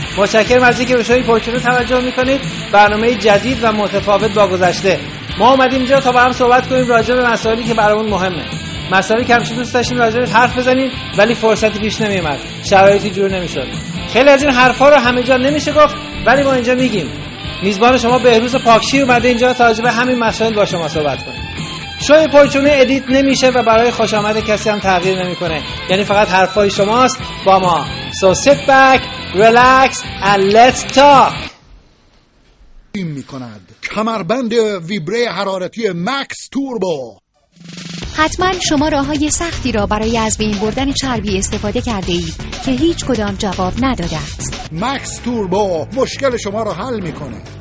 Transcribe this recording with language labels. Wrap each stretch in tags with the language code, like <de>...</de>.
<fa>متشکرم از اینکه به شوی پرچونه توجه میکنید. برنامه جدید و متفاوت با گذشته، ما اومدیم اینجا تا با هم صحبت کنیم راجع به مسائلی که برامون مهمه، مسائلی که همیشه دوست داشتیم راجع به حرف بزنیم ولی فرصتی پیش نمیومد، شرایطی جور نمیشد. خیلی از این حرفا رو همه جا نمیشه گفت ولی ما اینجا میگیم. میزبان شما بهروز پاکشی اومده اینجا تا راجع به همین مسائل با شما صحبت کنه. شوی پرچونه ادیت نمیشه و برای خوش آمد کسی هم تغییر نمیکنه، یعنی فقط حرفای شماست با ما.</fa> <en>So sit back, relax and let's talk.</en> <fa>میکند کمربند ویبره حرارتی مکس توربو. حتما شما راههای سختی را برای از بین بردن چربی استفاده کرده اید که هیچ کدام جواب نداده است. مکس توربو مشکل شما را حل میکنه.</fa>